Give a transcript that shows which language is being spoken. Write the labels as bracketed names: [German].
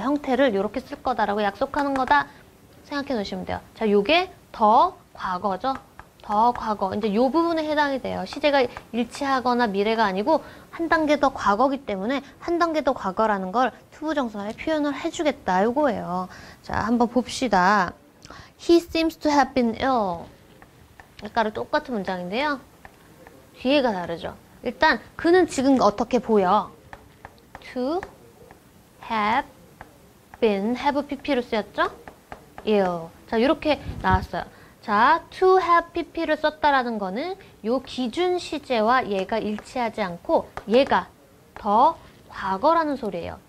[Korean] 형태를 이렇게 쓸 거다라고 약속하는 거다 생각해 놓으시면 돼요. 자, 요게 더 과거죠? 더 과거. 이제 요 부분에 해당이 돼요. 시제가 일치하거나 미래가 아니고 한 단계 더 과거기 때문에 한 단계 더 과거라는 걸 투부정사에 표현을 해주겠다. 요거예요. 자, 한번 봅시다. [English] He seems to have been ill. [Korean] 아까랑 똑같은 문장인데요. 뒤에가 다르죠. 일단 그는 지금 어떻게 보여? [English] To have been. [Korean] Have pp로 쓰였죠? ill. 자, 이렇게 나왔어요. 자, to have pp를 썼다라는 거는 요 기준 시제와 얘가 일치하지 않고 얘가 더 과거라는 소리예요.